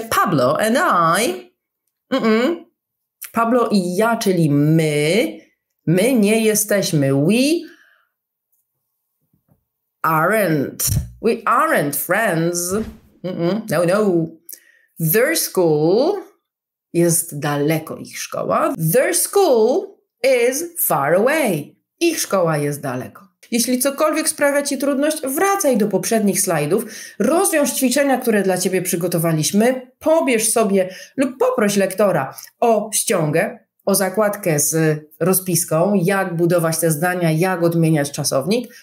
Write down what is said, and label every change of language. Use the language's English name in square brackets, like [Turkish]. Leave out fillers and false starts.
[English] Pablo and I. [Polish] Pablo i ja, czyli my. My nie jesteśmy. [English] We aren't. We aren't friends. No, no. Their school [Polish] jest daleko, ich szkoła. [English] Their school is far away. [Polish] Ich szkoła jest daleko. Jeśli cokolwiek sprawia ci trudność, wracaj do poprzednich slajdów, rozwiąż ćwiczenia, które dla ciebie przygotowaliśmy, pobierz sobie lub poproś lektora o ściągę, o zakładkę z rozpiską, jak budować te zdania, jak odmieniać czasownik.